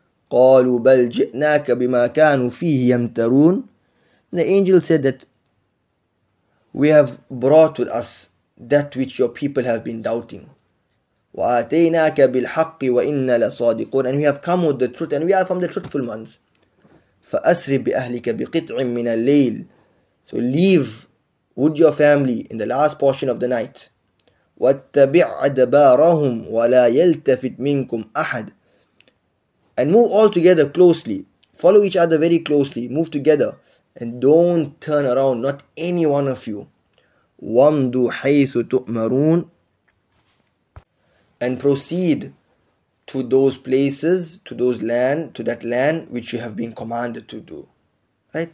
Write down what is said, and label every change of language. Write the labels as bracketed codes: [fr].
[ar] قَالُوا بَلْ جِئْنَاكَ بِمَا كَانُوا فِيهِ يَمْتَرُونَ, [en] the angel said that we have brought with us that which your people have been doubting. [ar] وَآتَيْنَاكَ بِالْحَقِّ وَإِنَّا لَصَادِقُونَ, [en] and we have come with the truth, and we are from the truthful ones. [ar] فَأَسْرِ بِأَهْلِكَ بِقِطْعٍ مِّنَ اللَّيْلِ, [en] so leave with your family in the last portion of the night. [ar] وَاتَّبِعْ أَدْبَارَهُمْ وَلَا يَلْتَفِتْ مِنْكُمْ أَحَدٍ, [en] and move all together closely. Follow each other very closely. Move together. And don't turn around. Not any one of you. [ar] وَمْدُوا حَيْثُ تُؤْمَرُونَ, [en] and proceed to those places, to those land, to that land which you have been commanded to do. Right?